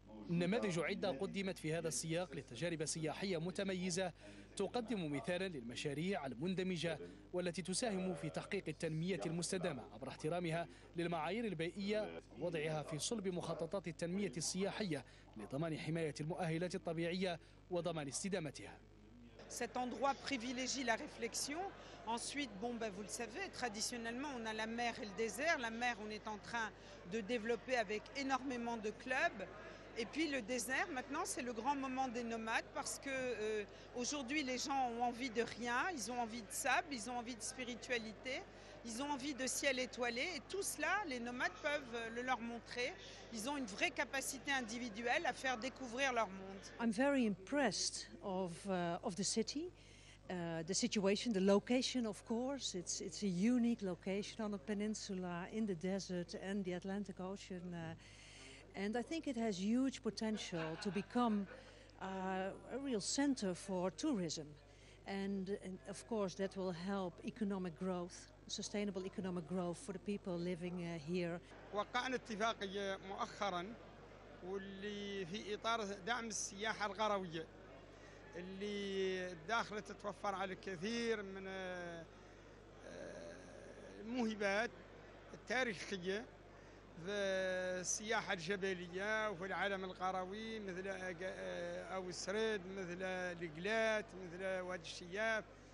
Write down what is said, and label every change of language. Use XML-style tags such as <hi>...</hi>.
<ar>نماذج عدة قدمت في هذا السياق لتجارب سياحية متميزة تقدم مثالا للمشاريع المندمجة والتي تساهم في تحقيق التنمية المستدامة عبر احترامها للمعايير البيئية ووضعها في صلب مخططات التنمية السياحية لضمان حماية المؤهلات الطبيعية وضمان استدامتها.</ar> <fr>Cet endroit privilégie la réflexion. Ensuite, bon, ben, vous le savez, traditionnellement, on a la mer et le désert. La mer, on est en train de développer avec énormément de clubs. Et puis le désert, maintenant, c'est le grand moment des nomades parce que aujourd'hui, les gens ont envie de rien. Ils ont envie de sable, ils ont envie de spiritualité, ils ont envie de ciel étoilé. Et tout cela, les nomades peuvent le leur montrer. Ils ont une vraie capacité individuelle à faire découvrir leur monde.</fr> <en>I'm very impressed of the city, the situation, the location, of course. It's a unique location on a peninsula in the desert and the Atlantic Ocean. And I think it has huge potential to become a real center for tourism. And of course, that will help economic growth, sustainable economic growth for the people living here.</en> <ar>وقعنا اتفاقية مؤخرا واللي في إطار دعم السياحة الغروية اللي الداخلة تتوفر على الكثير من الموهبات التاريخية في السياحة الجبلية وفي العالم الغروي مثل أو السرد مثل القلات مثل وادي الشياف.</ar>